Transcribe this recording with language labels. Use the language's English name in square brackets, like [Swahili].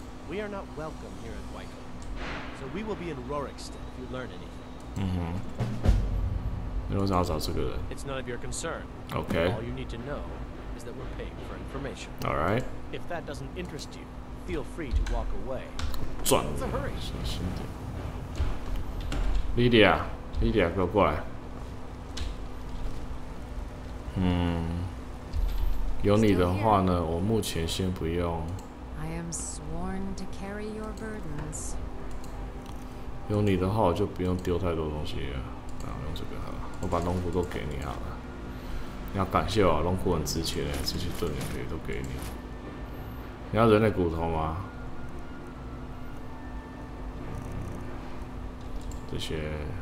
[English] We are not welcome here at Wyco. So we will be in Rorikstead if you learn anything. [Chinese] Mm-hmm. 那为什么要找这个人? [English] It's none of your concern. Okay. All you need to know is that we're paying for information. Alright. If that doesn't interest you, feel free to walk away. [Chinese] 转了，小心点。 Lydia, Lydia, 给我过来。有你的话呢，我目前先不用。 [English] I am sworn to carry your burdens. [Chinese] 有你的话，我就不用丢太多东西了。然后用这个好了，我把龙骨都给你好了。你要感谢我，龙骨很值钱的，这些盾也可以都给你。你要人类骨头吗？这些。